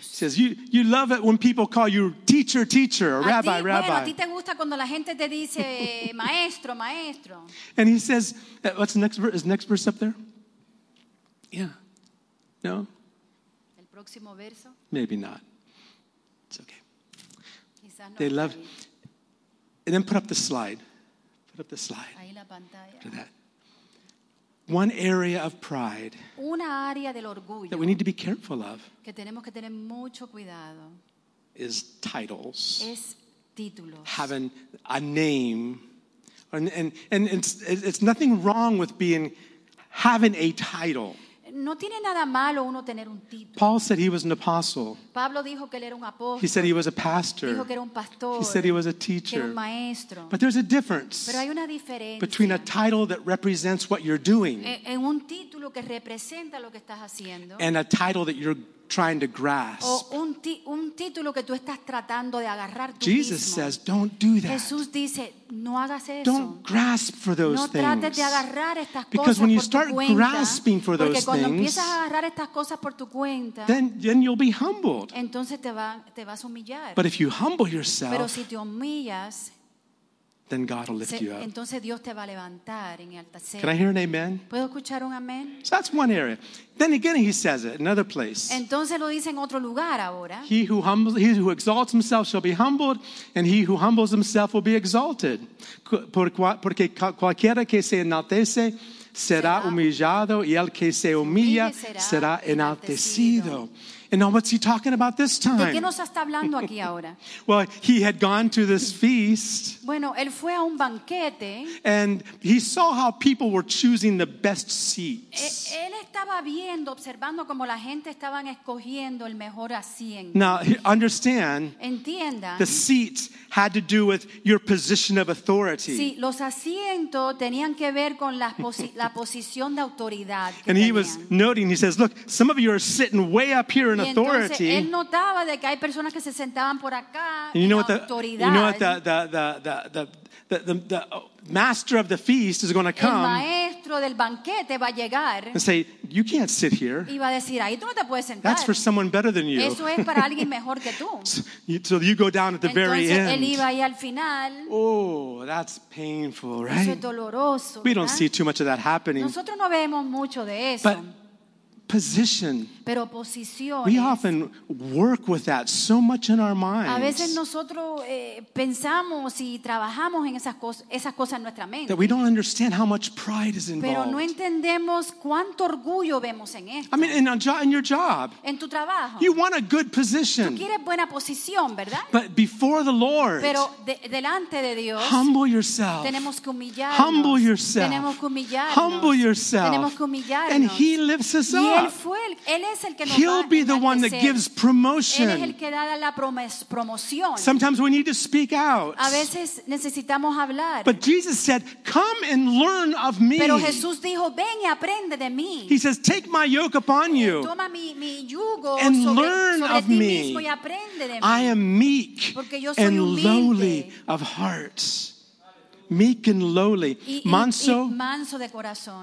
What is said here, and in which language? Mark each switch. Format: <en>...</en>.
<en>He says, you love it when people call you teacher, teacher, or a rabbi,</en> <es>ti,</es> <en>rabbi.</en> <es>Bueno, a ti te gusta cuando la gente te dice maestro, maestro.</es> <en>And he says, what's the next verse? Is the next verse up there? Yeah. No?</en> <es>El próximo verso?</es> <en>Maybe not. It's okay.</en> <es>Quizás no</es> <en>they love, ahí. And then put up the slide. Put up the slide.</en> <es>Ahí la pantalla.</es> <en>After that. One area of pride</en> <es>una área del orgullo</es> <en>that we need to be careful of</en> <es>que tenemos que tener mucho cuidado</es> <en>is titles.</en> <es>Es títulos.</es> <en>Having a name. And it's nothing wrong with being having a title.</en> <es>No tiene nada malo uno tener un título.</es> <en>Paul said he was an apostle.</en> <es>Pablo dijo que él era un apóstol.</es> <en>He said he was a pastor.</en> <es>Dijo que era un pastor.</es> <en>He said he was a teacher.</en> <es>Que era un maestro.</es> <en>But there's a difference.</en> <es>Pero hay una diferencia.</es> <en>Between a title that represents what you're doing.</en> <es>En un título que representa lo que estás haciendo.</es> <en>And a title that you're trying to grasp.</en> <es>Un título que tú estás tratando de agarrar tú</es> <en>Jesus</en> <es>mismo.</es> <en>Says, don't do that.</en> <es>Jesús dice, no hagas eso.</es> <en>Don't grasp for those</en> <es>no trates</es> <en>things.</en> <es>De agarrar estas</es> <en>Because when you</en> <es>por</es> <en>start</en> <es>cuenta,</es> <en>grasping for those things,</en> <es>porque cuando empiezas a agarrar estas cosas por tu cuenta,</es> <en>then you'll be humbled.</en> <es>Entonces te vas a humillar.</es> <en>But if you humble yourself,</en> <es>pero si te humillas,</es> <en>then God will lift you up.</en> <es>Entonces Dios te va a levantar en alta.</es> <en>Can I hear an amen?</en> <es>¿Puedo escuchar un amen?</es> <en>So that's one area. Then again he says it in another place.</en> <es>Entonces lo dice en otro lugar ahora.</es> <en>He who exalts himself shall be humbled, and he who humbles himself will be exalted.</en> <es>Porque cualquiera que se enaltece será humillado, y el que se humilla será enaltecido.</es> <en>And now what's he talking about this time?</en> <es>¿De qué nos está hablando aquí ahora?</es> <en>Well, he had gone to this feast.</en> <es>Bueno, él fue a un banquete.</es> <en>And he saw how people were choosing the best seats.</en> <es>Él estaba viendo, observando como la gente estaban escogiendo el mejor asiento.</es> <en>Now, understand.</en> <es>Entiendan.</es> <en>The seats had to do with your position of authority.</en> <es>Sí, los asientos tenían que ver con la posición de autoridad.</es> <en>And he was noting, he says, look, some of you are sitting way up here. In authority.</en> <es>Y entonces él notaba de que hay personas que se sentaban por acá en autoridad.</es> <en>You know what the master of the feast is going to come.</en> <es>El maestro del banquete va a llegar.</es> <en>And say, you can't sit here.</en> <es>Y va a decir, ahí tú no te puedes sentar.</es> <en>That's for someone better than you.</en> <es>Eso es para alguien mejor que tú.</es> <en>So you go down at the</en> <es>entonces,</es> <en>very end.</en> <es>Él iba ahí al final.</es> <en>Oh, that's painful, right?</en> <es>Eso es doloroso.</es> <en>We don't see too much of that happening.</en> <es>Nosotros no vemos mucho de eso.</es> <en>But position.</en> <es>Pero posiciones.</es> <en>We often work with that so much in our minds.</en> <es>A veces nosotros pensamos y trabajamos en esas cosas en nuestra mente.</es> <en>That we don't understand how much pride is involved.</en> <es>Pero no entendemos cuánto orgullo vemos en esto.</es> <en>I mean, in your job.</en> <es>En tu trabajo.</es> <en>You want a good position.</en> <es>Tú quieres buena posición, ¿verdad?</es> <en>But before the Lord.</en> <es>Pero delante de Dios.</es> <en>Humble yourself.</en> <es>Tenemos que humillarnos.</es> <en>Humble yourself.</en> <es>Tenemos que humillarnos.</es> <en>Humble yourself.</en> <es>Tenemos que humillarnos.</es> <en>And He lifts us up.</en> <es>Y él fue él es el que nos</es> <en>He'll</en> <es>va,</es> <en>be the one that gives promotion.</en> <es>Él es el que da la promoción.</es> <en>Sometimes we need to speak out.</en> <es>A veces necesitamos hablar.</es> <en>But Jesus said, come and learn of me.</en> <es>Pero Jesús dijo, ven y aprende de mí.</es> <en>He says, take my yoke upon you.</en> <es>Toma mi yugo</es> <en>and</en> <es>sobre,</es> <en>learn</en> <es>sobre</es> <en>of me.</en> <es>Y aprende de mí.</es> <en>I am meek</en> <es>Porque yo soy</es> <en>and</en> <es>humilde.</es> <en>Lowly of heart. Meek and lowly, manso,</en> <es>manso de corazón,</es>